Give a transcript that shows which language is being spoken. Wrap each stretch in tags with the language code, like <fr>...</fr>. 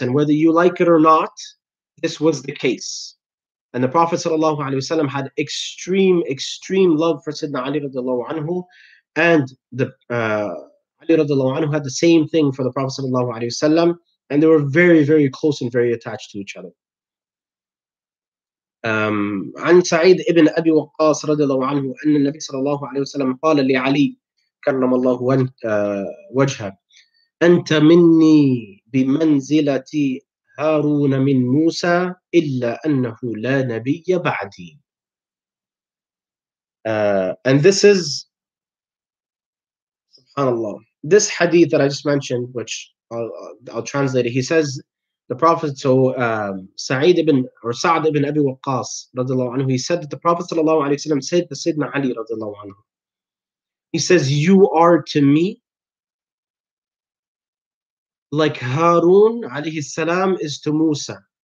<en>And whether you like it or not, this was the case. And the Prophet sallallahu alaihi wasallam had extreme, extreme love for Sayyidina Ali radiallahu anhu. And the Ali radiallahu anhu had the same thing for the Prophet sallallahu alaihi wasallam. And they were very, very close and very attached to each other.</en> <ar>عن سعيد ابن أبي وقاص رضي الله عنه أن النبي صلى الله عليه وسلم قال لعلي كرم الله وجهه أنت مني بمنزلة هارون من موسى إلا أنه لا نبي بعدي.</ar> <en>And this is subhanallah, this hadith that I just mentioned, which I'll translate it. He says the Prophet, so Sa'id ibn or Sa'd ibn Abi Waqqas radiallahu anhu, he said that the Prophet sallallahu alaihi wasallam said to Sayyidina Ali radiallahu anhu, he says, you are to me like Harun alayhi salam is to Musa.</en>